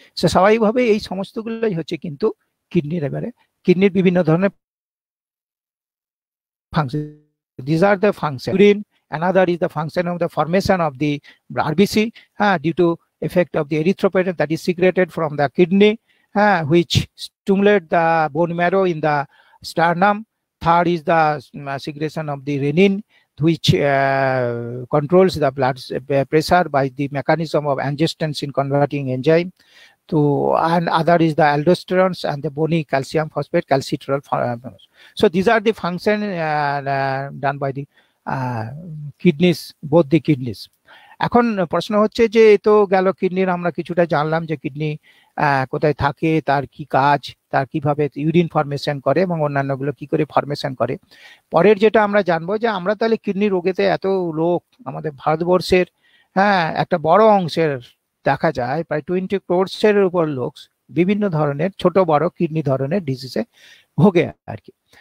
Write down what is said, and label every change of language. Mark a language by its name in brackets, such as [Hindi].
[Bangla] সে স্বাভাবিকভাবে এই সমস্তগুলোই হচ্ছে কিন্তু কিডনির, এবারে কিডনির বিভিন্ন ধরনের function, [English] These are the function, urine another is the function of the formation of the RBC, হ্যাঁ, due to effect of the erythropoietin that is secreted from the kidney, হ্যাঁ, which stimulate the bone marrow in the sternum. Third is the secretion of the renin which controls the blood pressure by the mechanism of angiotensin converting enzyme to, and other is the aldosterone and the bony calcium phosphate calcitriol. So these are the function done by the kidneys, both the kidneys. [Bangla] এখন প্রশ্ন হচ্ছে যে এই তো গেল কিডনির, আমরা কিছুটা জানলাম যে কিডনি কোথায় থাকে, তার কি কাজ, তার কিভাবে ইউরিন ফরমেশন করে এবং অন্যান্যগুলো কি করে ফরমেশন করে। পরের যেটা আমরা জানবো যে আমরা তাহলে কিডনি রোগেতে এত লোক আমাদের ভারতবর্ষের, হ্যাঁ, একটা বড় অংশের দেখা যায় প্রায় 20 crores এর উপর লোক বিভিন্ন ধরনের ছোট বড় কিডনি ধরনের ডিজিজে ভোগে আর কি।